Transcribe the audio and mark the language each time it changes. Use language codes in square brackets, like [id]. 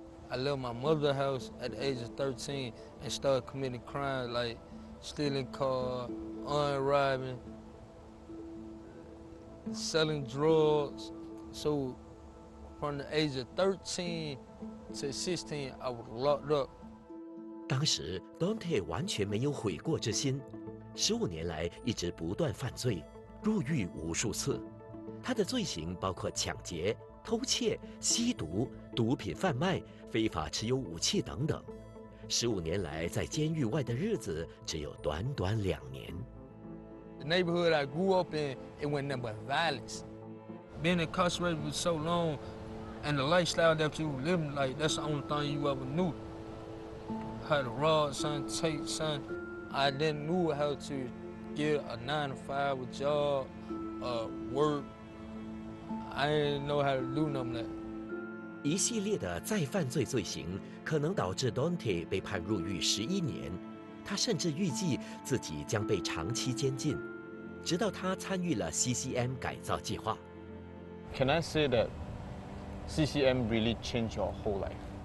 [en] I left my mother's house at the age of 13 and started committing crimes like stealing cars, armed robbing, selling drugs. So from the age of 13 to 16, I was locked up. [zh] 当时 Dante 完全没有悔过之心，十五年来一直不断犯罪，入狱无数次。他的罪行包括抢劫、偷窃、吸毒、毒品贩卖、非法持有武器等等。十五年来在监狱外的日子只有短短两年。 [en] The neighborhood I grew up in, it went nothing but violence. Being incarcerated for so long, and the lifestyle that you were living, like that's the only thing you ever knew. How to rob, son, take, son. I didn't know how to get a 9-to-5 job. Work. I didn't know how to do nothing. [zh] 一系列的再犯罪罪行可能导致 Dante 被判入狱十一年，他甚至预计自己将被长期监禁，直到他参与了 CCM 改造计划。 [en] Can I say that CCM really changed your whole life?